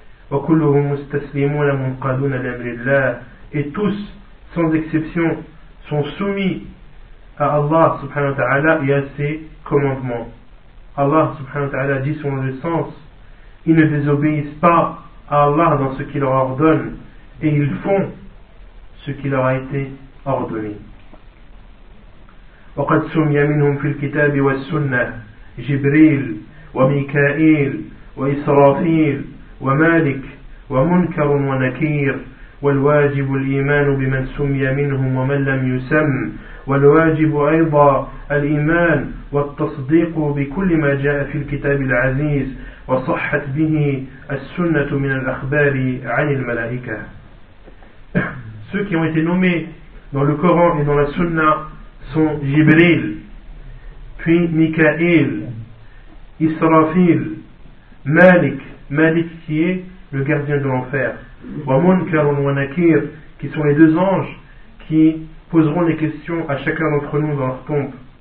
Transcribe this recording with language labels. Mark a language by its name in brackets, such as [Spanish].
[Arabic] Wa kulluhum mustaslimuna munqaduna li amri Allah, [French] et tous sans exception sont soumis à Allah subhanahu wa ta'ala et à ses commandements. Allah subhanahu wa ta'ala dit selon le sens, ils ne désobéissent pas à Allah dans ce qu'il leur ordonne et ils font ce qui leur a été ordonné. [Arabic] Wa qad sumiya minhum fil kitab wa sunnah Jibril وميكائيل وإسرافيل ومالك ومنكر ونكير والواجب الإيمان بمن سمي منهم ومن لم يسم والواجب أيضا الإيمان والتصديق بكل ما جاء في الكتاب العزيز وصحت به السنة من الأخبار عن الملائكة. [French] Ceux qui ont été nommés dans le Coran et dans la Sunna sont Jibril, puis Mikaël, Israfil, Malik qui est le gardien de l'enfer, wa Munkarun wa Nakir, qui sont les deux anges qui poseront les questions à chacun d'entre nous dans leur tombe.